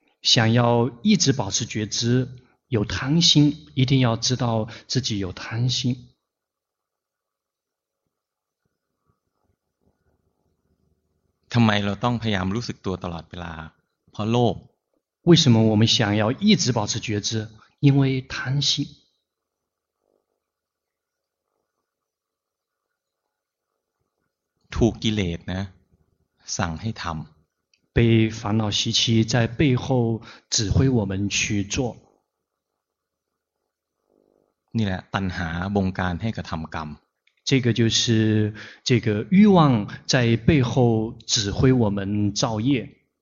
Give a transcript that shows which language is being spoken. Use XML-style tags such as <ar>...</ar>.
<zh>想要一直保持觉知有贪心一定要知道自己有贪心</zh> <th>ทำไมเราต้องพยายามรู้สึกตัวตลอดเวลาเพราะโลภ</th> <zh>为什么我们想要一直保持觉知因为贪心</zh> <th>ถูกกิเลสนะ สั่งให้ทำ</th> <zh>被烦恼习气在背后指挥我们去做</zh> <th>นี่แหละตัณหาบงการให้กระทำกรรม</th> <zh>这个就是这个欲望在背后指挥我们造业</zh>